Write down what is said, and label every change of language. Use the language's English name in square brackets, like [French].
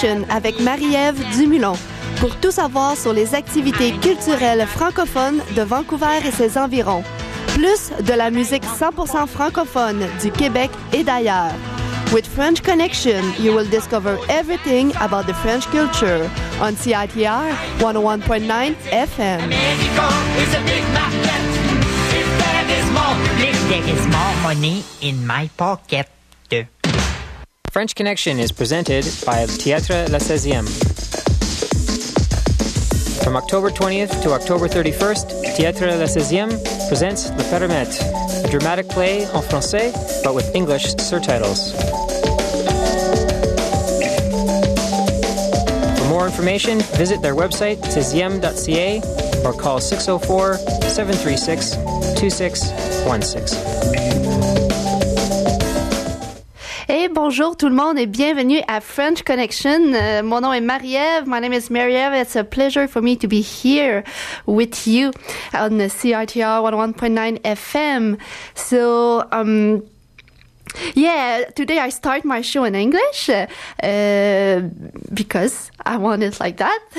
[French] Avec Marie-Ève Dumoulin pour tout savoir sur les activités culturelles francophones de Vancouver et ses environs, plus de la musique 100% francophone du Québec et d'ailleurs. [English] With French Connection, you will discover everything about the French culture on CITR 101.9 FM. French Connection is presented by Théâtre La 16e. From October 20th to October 31st, Théâtre La 16e presents Le Permettre, a dramatic play en français, but with English surtitles. For more information, visit their website, 16e.ca, or call 604-736-2616. [French] Bonjour tout le monde et bienvenue à French Connection. Mon nom est Marie-Ève. [English] My name is Marie-Ève. It's a pleasure for me to be here with you on the CITR 101.9 FM. So, yeah, today I start my show in English because I want it like that.